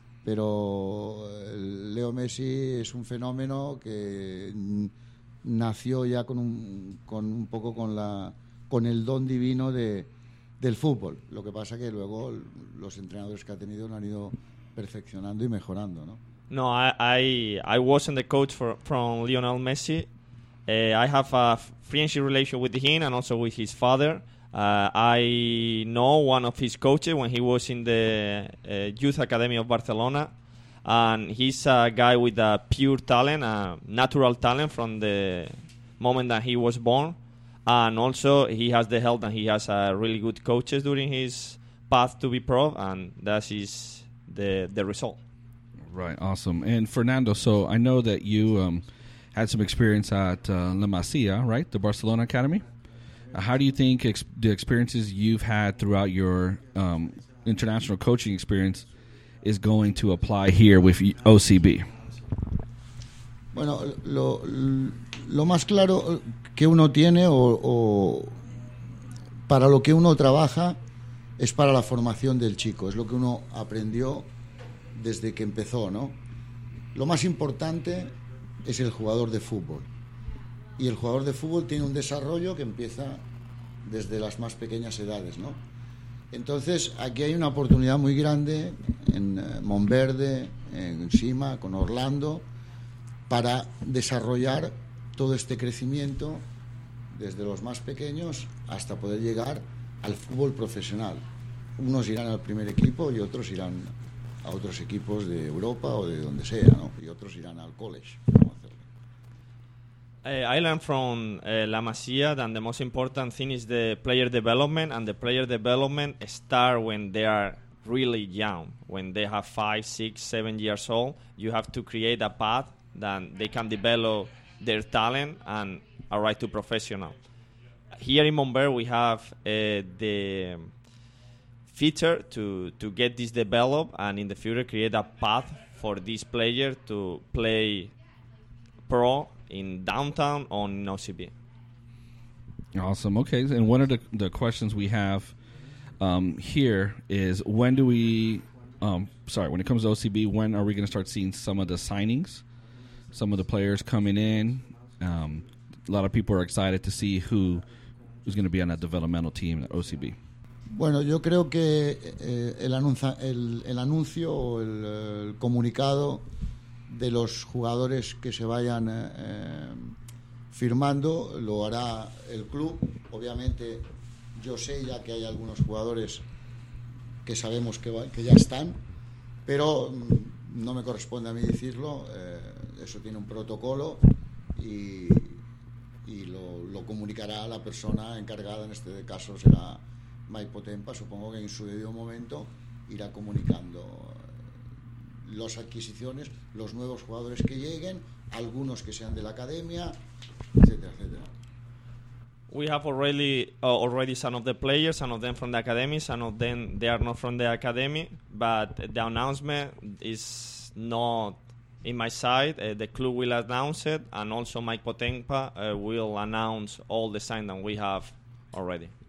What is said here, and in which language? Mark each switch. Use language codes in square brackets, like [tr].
[es] Pero Leo Messi es un fenómeno que nació ya con el don divino del fútbol. Lo que pasa que luego los entrenadores que ha tenido lo han ido perfeccionando y mejorando, ¿no? [en] No, I wasn't the coach from Lionel Messi. I have a friendship relationship with him and also with his father. I know one of his coaches when he was in the Youth Academy of Barcelona. And he's a guy with a pure talent, a natural talent from the moment that he was born. And also he has the help and he has a really good coaches during his path to be pro. And that is the result. Right, awesome. And Fernando, so I know that you had some experience at La Masia, right? The Barcelona Academy. How do you think the experiences you've had throughout your international coaching experience is going to apply here with OCB? [es] Bueno, lo más claro que uno tiene o para lo que uno trabaja es para la formación del chico, es lo que uno aprendió desde que empezó, ¿no? Lo más importante es el jugador de fútbol. Y el jugador de fútbol tiene un desarrollo que empieza desde las más pequeñas edades, ¿no? Entonces, aquí hay una oportunidad muy grande en Monverde, en Sima, con Orlando, para desarrollar todo este crecimiento desde los más pequeños hasta poder llegar al fútbol profesional. Unos irán al primer equipo y otros irán a otros equipos de Europa o de donde sea, ¿no? Y otros irán al college. [en] I learned from La Masia that the most important thing is the player development, and the player development starts when they are really young. When they have 5, 6, 7 years old, you have to create a path that they can develop their talent and arrive to professional. Here in Montbert, we have the feature to get this developed and in the future create a path for this player to play pro in downtown on OCB. Awesome. Okay, and one of the questions we have here is when it comes to OCB, when are we going to start seeing some of the signings, some of the players coming in? A lot of people are excited to see who is going to be on that developmental team at OCB. [es] Bueno, yo creo que el anuncio o el comunicado de los jugadores que se vayan firmando lo hará el club. Obviamente yo sé ya que hay algunos jugadores que sabemos que ya están, pero no me corresponde a mí decirlo. Eso tiene un protocolo y lo comunicará la persona encargada. En este caso será Maipotempa, supongo que en su debido momento irá comunicando las adquisiciones, los nuevos jugadores que lleguen, algunos que sean de la academia, etcétera, etcétera. [en] We have already some of the players, some of them from the academy, some of them they are not from the academy, but the announcement is not in my side. The club will announce it, and also Mike Potempa will announce all the signs that we have already.